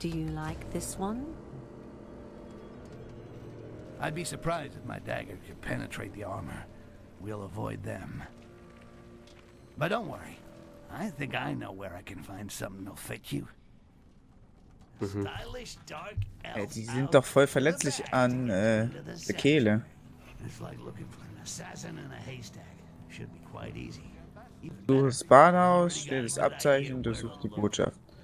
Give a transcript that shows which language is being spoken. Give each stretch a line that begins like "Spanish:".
English: Do you like this one? I'd be surprised if my dagger could penetrate the armor. We'll avoid them. But don't worry. I think I know where I can find something that'll fit you. Stylish dark elf.
German: Ey, die sind doch voll verletzlich an der Kehle.
English: It's like looking for an assassin in a haystack. Should be quite easy.
German: Du suchst das Badehaus, stell das Abzeichen und du suchst die Botschaft.